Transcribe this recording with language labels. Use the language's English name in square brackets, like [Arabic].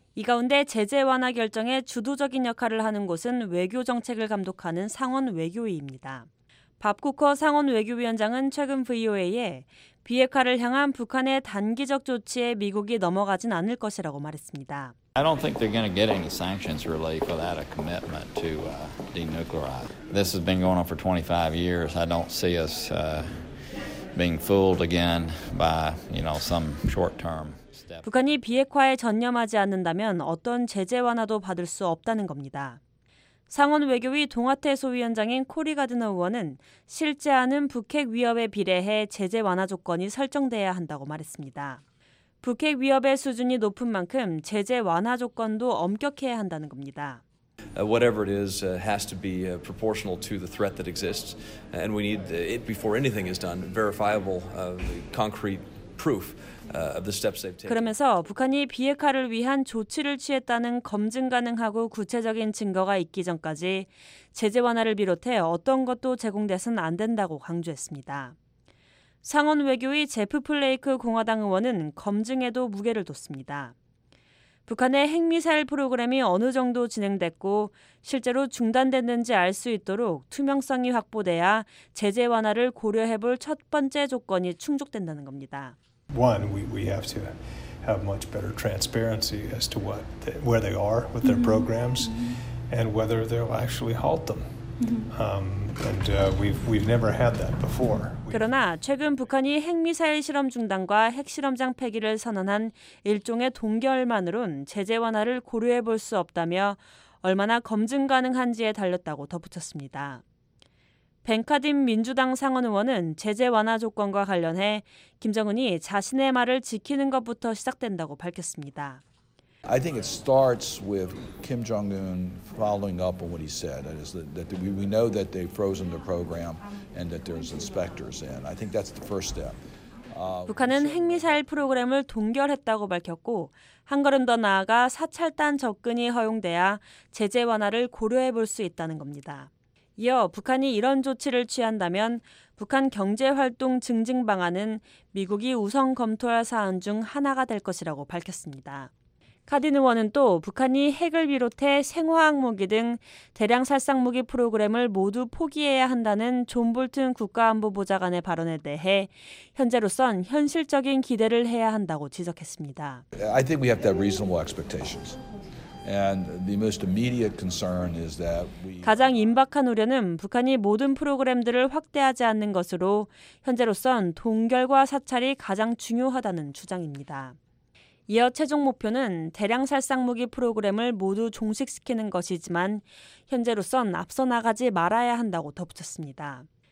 [Korean] 이 가운데 제재 완화 결정에 주도적인 역할을 하는 곳은 외교정책을 감독하는 상원 외교위입니다. 밥 쿠커 상원 외교위원장은 최근 VOA에 비핵화를 향한 북한의 단기적 조치에 미국이 넘어가진 않을 것이라고 말했습니다. [English] I don't think they're going to get any sanctions relief without a commitment to denuclearize. This has been going on for 25 years. I don't see us being fooled again by, you know, some short-term step. [Korean] 북한이 비핵화에 전념하지 않는다면 어떤 제재 완화도 받을 수 없다는 겁니다. 상원 외교위 동아태 소위원장인 코리 가드너 의원은 실제하는 북핵 위협에 비례해 제재 완화 조건이 설정돼야 한다고 말했습니다. 북핵 위협의 수준이 높은 만큼 제재 완화 조건도 엄격해야 한다는 겁니다. [English] Whatever it is has to be proportional to the threat that exists and we need it before anything is done verifiable concrete proof of the steps they've taken. [Korean] 그러면서 북한이 비핵화를 위한 조치를 취했다는 검증 가능하고 구체적인 증거가 있기 전까지 제재 완화를 비롯해 어떤 것도 제공돼선 안 된다고 강조했습니다. 상원 외교의 제프 플레이크 공화당 의원은 검증에도 무게를 뒀습니다. 북한의 핵미사일 프로그램이 어느 정도 진행됐고 실제로 중단됐는지 알 수 있도록 투명성이 확보돼야 제재 완화를 고려해볼 첫 번째 조건이 충족된다는 겁니다. [English] One, we have to have much better transparency as to what they, where they are with their programs and whether they'll actually halt them. And we've never had that before. [Korean] 그러나 최근 북한이 핵미사일 실험 중단과 핵실험장 폐기를 선언한 일종의 동결만으론 제재 완화를 고려해 볼 수 없다며 얼마나 검증 가능한지에 달렸다고 덧붙였습니다. 벤카딘 민주당 상원 의원은 제재 완화 조건과 관련해 김정은이 자신의 말을 지키는 것부터 시작된다고 밝혔습니다. [English] I think it starts with Kim Jong-un following up on what he said. That is that we know that they've frozen the program and that there's inspectors in. I think that's the first step. [Korean] 북한은 핵미사일 프로그램을 동결했다고 밝혔고 한 걸음 더 나아가 사찰단 접근이 허용돼야 제재 완화를 고려해 볼 수 있다는 겁니다. 이어 북한이 이런 조치를 취한다면 북한 경제활동 증진 방안은 미국이 우선 검토할 사안 중 하나가 될 것이라고 밝혔습니다. 카딘 의원은 또 북한이 핵을 비롯해 생화학 무기 등 대량 살상 무기 프로그램을 모두 포기해야 한다는 존 볼튼 국가안보보좌관의 발언에 대해 현재로선 현실적인 기대를 해야 한다고 지적했습니다. [English] I think we have to have reasonable expectations. And the most immediate concern is that we [Korean] 가장 임박한 우려는 북한이 모든 프로그램들을 확대하지 않는 것으로 현재로선 동결과 사찰이 가장 중요하다는 주장입니다. 이어 최종 목표는 대량 살상무기 프로그램을 모두 종식시키는 것이지만 현재로선 앞서 나가지 말아야 한다고 덧붙였습니다.